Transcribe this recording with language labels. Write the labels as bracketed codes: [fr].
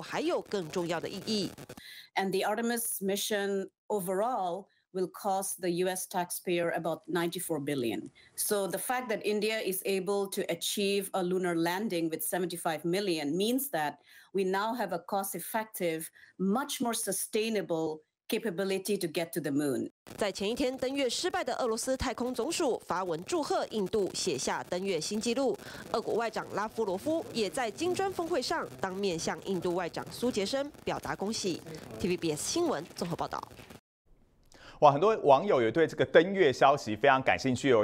[zh] 这次登月不只象征印度跻身全球太空强权，背后还有更重要的意义。And [en] the Artemis mission overall will cost the U.S. taxpayer about $94 billion. So the fact that India is able to achieve a lunar landing with $75 million means that we now have a cost-effective, much more sustainable capability to get to the moon. [zh] 在前一天登月失败的俄罗斯太空总署发文祝贺印度，写下登月新纪录。俄国外长拉夫罗夫也在金砖峰会上当面向印度外长苏杰生表达恭喜。TVBS 新闻综合报道。哇，很多网友也对这个登月消息非常感兴趣哦。